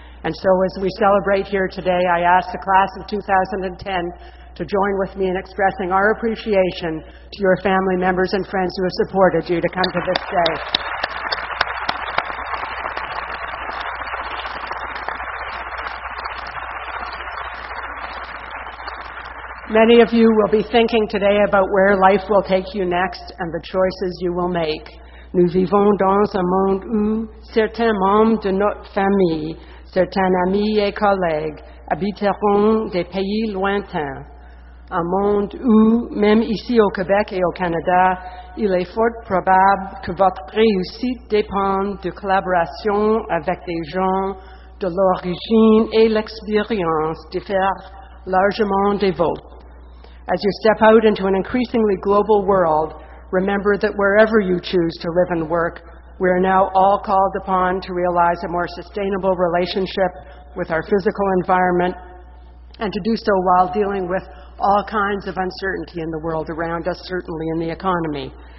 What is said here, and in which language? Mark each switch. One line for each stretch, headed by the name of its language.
English: And so as we celebrate here today, I ask the class of 2010 to join with me in expressing our appreciation to your family members and friends who have supported you to come to this day. Many of you will be thinking today about where life will take you next and the choices you will make.
French: Nous vivons dans un monde où certains membres de notre famille, certains amis et collègues, habiteront des pays lointains. Un monde où, même ici au Québec et au Canada, il est fort probable que votre réussite dépende de collaboration avec des gens de l'origine et l'expérience diffèrent largement des vôtres.
English: As you step out into an increasingly global world, remember that wherever you choose to live and work, we are now all called upon to realize a more sustainable relationship with our physical environment, and to do so while dealing with all kinds of uncertainty in the world around us, certainly in the economy.